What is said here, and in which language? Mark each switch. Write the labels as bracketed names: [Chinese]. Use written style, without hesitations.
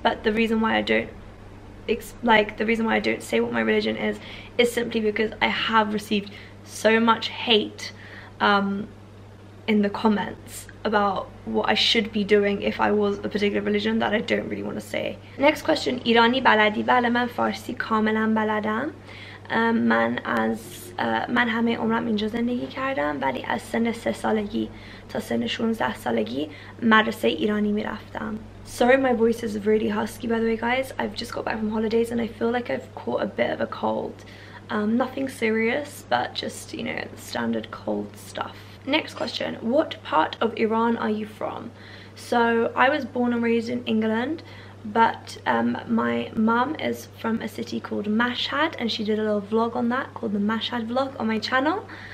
[English] But the reason why I don't say what my religion is simply because I have received so much hate in the comments about what I should be doing if I was a particular religion that I don't really want to say. Next question, [Persian] Irani baladi balaman farsi kamalan baladam. من از من همه عمرم اینجا زندگی کردم ولی از سن 3 سالگی تا سن 16 سالگی مدرسه ایرانی می رفتم. [English] Sorry, my voice is really husky, by the way, guys. I've just got back from holidays and I feel like I've caught a bit of a cold. Nothing serious, but just, you know, standard cold stuff. Next question, what part of Iran are you from? So I was born and raised in England, but my mum is from a city called Mashhad, and she did a little vlog on that called the Mashhad vlog on my channel.